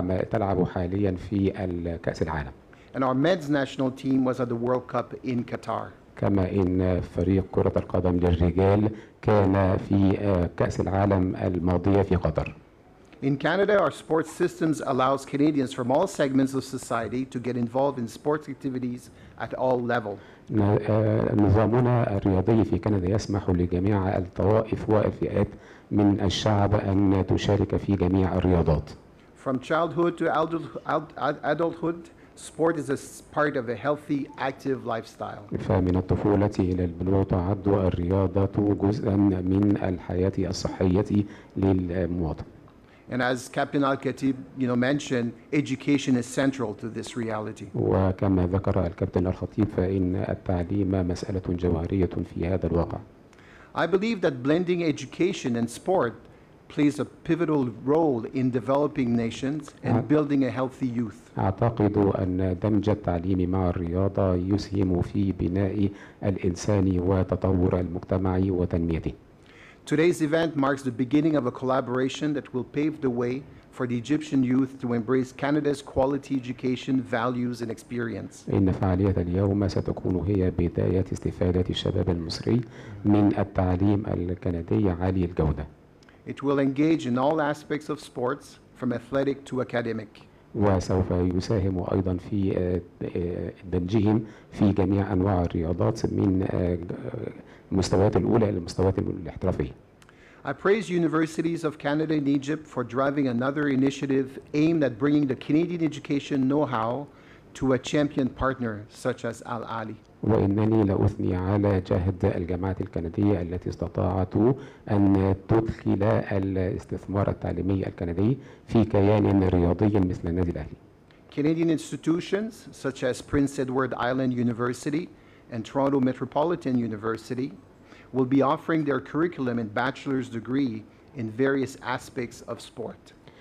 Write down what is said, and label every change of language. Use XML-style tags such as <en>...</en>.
<ar>تلعب حاليا في الكأس العالم.</ar> <en>And our men's national team was at the World Cup in Qatar.</en> <ar>كما إن فريق كرة القدم للرجال كان في كأس العالم الماضية في قطر.</ar> <en>In Canada, our sports systems allows Canadians from all segments of society to get involved in sports activities at all levels.</en> <ar>نظامنا الرياضي في كندا يسمح لجميع الطوائف والفئات من الشعب أن تشارك في جميع الرياضات.</ar> <en>From childhood to adulthood, sport is a part of a healthy, active lifestyle.</en> <ar>فمن الطفولة إلى البلوغ تعد الرياضة جزءا من الحياة الصحية للمواطن.</ar> <en>And as Captain Al-Khatib, you know, mentioned, education is central to this reality.</en> <ar>وكما ذكر الكابتن الخطيب فإن التعليم مسألة جوهرية في هذا الواقع.</ar> <en>I believe that blending education and sport plays a pivotal role in developing nations and building a healthy youth.</en> <ar>أعتقد أن دمج التعليم مع الرياضة يسهم في بناء الإنسان وتطور المجتمع وتنميته.</ar> <en>Today's event marks the beginning of a collaboration that will pave the way for the Egyptian youth to embrace Canada's quality education, values, and experience.</en> <ar>إن فعالية اليوم ستكون هي بداية استفادة الشباب المصري من التعليم الكندي عالي الجودة.</ar> <en>It will engage in all aspects of sports, from athletic to academic.</en> <ar>وسوف يساهم أيضا في دمجهم في جميع أنواع الرياضات من المستويات الأولى إلى المستويات الاحترافية.</ar> <en>I praise universities of Canada and Egypt for driving another initiative aimed at bringing the Canadian education know-how to a champion partner such as Al Ahly.</en> <ar>وإنني لأثني على جهد الجامعات الكندية التي استطاعت أن تدخل الاستثمار التعليمي الكندي في كيان رياضي مثل النادي الأهلي.</ar> <en>Canadian institutions such as Prince Edward Island University and Toronto Metropolitan University will be offering their curriculum and bachelor's degree in various aspects of sport.</en>